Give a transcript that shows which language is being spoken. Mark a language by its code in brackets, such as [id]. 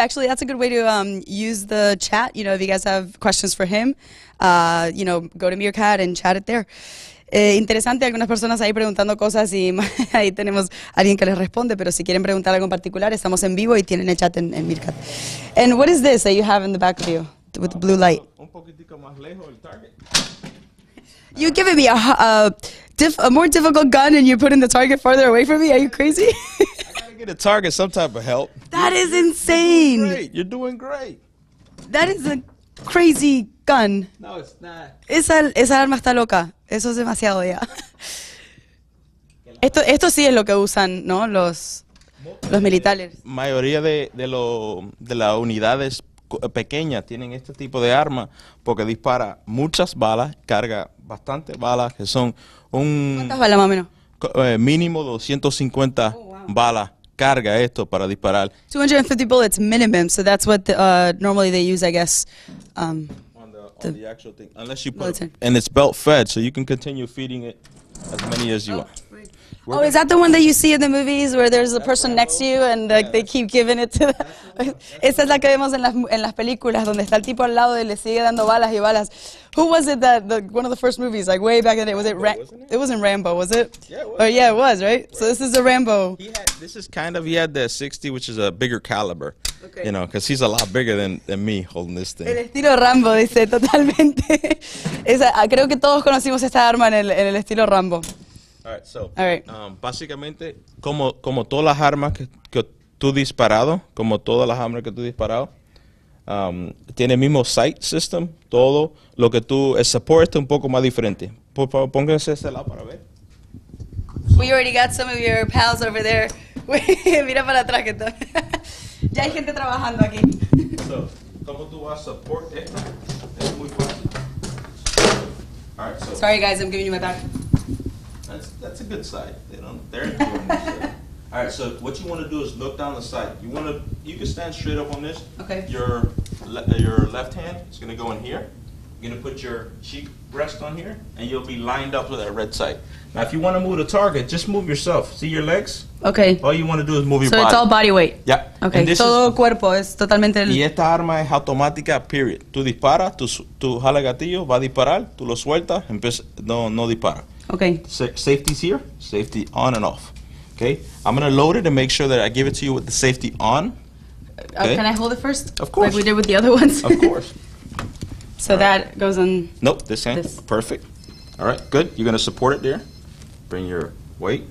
[en] Actually, that's a good way to use the chat. You know, if you guys have questions for him, you know, go to Meerkat and chat it there. [es] Interesante, algunas personas ahí preguntando cosas y ahí tenemos alguien que les responde, pero si quieren preguntar algo en particular, estamos en vivo y tienen el chat en Meerkat. [en] And what is this that you have in the back of you with the blue light? [es] Un poquitico más lejos el target. [en] You're giving me a more difficult gun and you're putting the target farther away from me? Are you crazy? I gotta get a target some type of help. That is insane. You're doing great. You're doing great. That is a crazy gun. No, it's not. [es] Esa arma está loca. Eso es demasiado ya. Esto sí es lo que usan, ¿no? Los militares. La mayoría de las unidades pequeñas tienen este tipo de arma porque dispara muchas balas, carga bastantes balas que son un... ¿Cuántas balas más o menos? Mínimo 250 balas. Carga esto para disparar. [en] 250 bullets minimum, so that's what normally they use, I guess. On the actual thing, unless you put it, and it's belt fed, so you can continue feeding it as many as you want. Wait. Oh, is that the one that you see in the movies where there's a person next to you and like they keep giving it to them? [es] Esa es la que vemos en las películas donde está el tipo al lado y le sigue dando balas y balas. [en] Who was it that one of the first movies, like way back in the day, wasn't it? It wasn't Rambo, was it? Yeah, it was. Oh yeah, it was, right? Right. So this is a Rambo. He had the 60, which is a bigger caliber. Okay. You know, because he's a lot bigger than me holding this thing. [es] El estilo Rambo, dice, totalmente. Creo que todos conocimos esta arma en el estilo Rambo. [en] All right. [es] Básicamente, como todas las armas que tú disparado, como todas las armas que tú disparado, tiene el mismo sight system, todo lo que tú, el support es un poco más diferente. Por favor, pónganse a este lado para ver. [en] We already got some of your pals over there. [es] Mira para atrás que está. Ya hay gente trabajando aquí. So, ¿cómo tú vas a support esto? Es muy fácil. [en] All right, so. Sorry guys, I'm giving you my back. That's a good sight. They're enjoying it. All right, so what you want to do is look down the sight. You can stand straight up on this. Okay. Your left hand is going to go in here. You're going to put your cheek rest on here, and you'll be lined up with that red sight. Now, if you want to move the target, just move yourself. See your legs? Okay. All you want to do is move your body. So it's all body weight? Yeah. Okay, and this [es] todo [en] is, [es] cuerpo es totalmente... Y esta arma es automática, period. Tú disparas, tú jala gatillo, va a disparar, tú lo sueltas, no dispara. [en] Okay. Safety's here. Safety on and off. Okay. I'm going to load it and make sure that I give it to you with the safety on. Okay? Can I hold it first? Of course. Like we did with the other ones? Of course. So all that right. Goes on... Nope, this hand. This. Perfect. All right, good. You're going to support it there. Bring your weight.